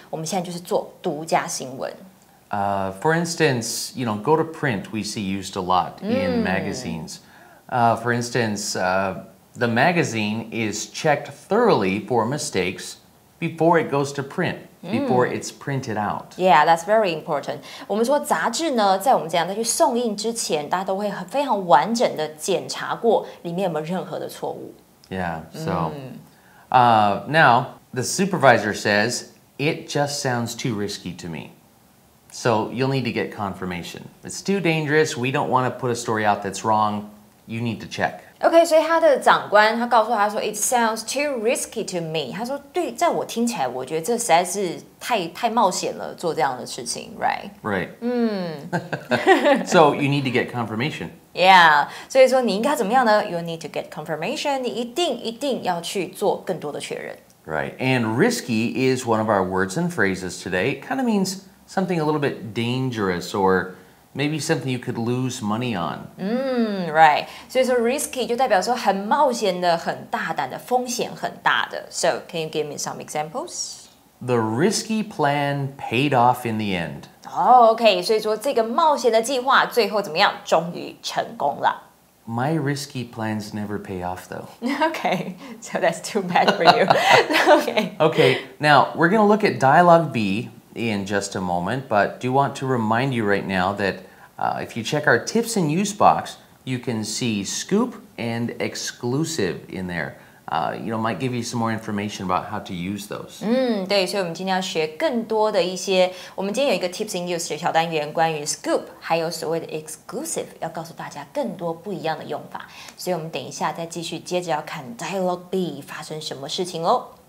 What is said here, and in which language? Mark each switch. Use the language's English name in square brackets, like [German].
[Chinese] 我们现在就是做独家新闻。 [English] For instance, you know, go to print we see used a lot in magazines. For instance, the magazine is checked thoroughly for mistakes before it goes to print, before it's printed out. Yeah, that's very important. [Chinese] 我们说杂志呢在我们这样在去送印之前大家都会非常完整的检查过里面有没有任何的错误。 [English] Yeah, so, now, the supervisor says, it just sounds too risky to me. So you'll need to get confirmation. It's too dangerous. We don't want to put a story out that's wrong. You need to check. [Chinese] Okay, 所以他的长官他告诉他说 It sounds too risky to me. 他说对在我听起来我觉得这实在是太冒险了做这样的事情 Right? [English] Right. So you need to get confirmation. Yeah. 所以说你应该怎么样呢 You need to get confirmation. [Chinese] 你一定要去做更多的确认 [English] Right. And risky is one of our words and phrases today. It kind of meansSomething a little bit dangerous or maybe something you could lose money on. Right. [Chinese] 所以说 risky 就代表说很冒险的很大胆的风险很大的。 [English] So can you give me some examples? The risky plan paid off in the end. Oh, okay. [Chinese] 所以说这个冒险的计划最后怎么样终于成功了。 [English] My risky plans never pay off, though. Okay, so that's too bad for you. Okay, now we're going to look at dialogue B. In just a moment, but do want to remind you right now that if you check our tips and use box, you can see scoop and exclusive in there. You know, might give you some more information about how to use those. [Chinese] 对，所以我们今天要学更多的一些。我们今天有一个 tips and use 的小单元，关于 scoop 还有所谓的 exclusive， 要告诉大家更多不一样的用法。所以我们等一下再继续接着要看 dialogue B 发生什么事情哦。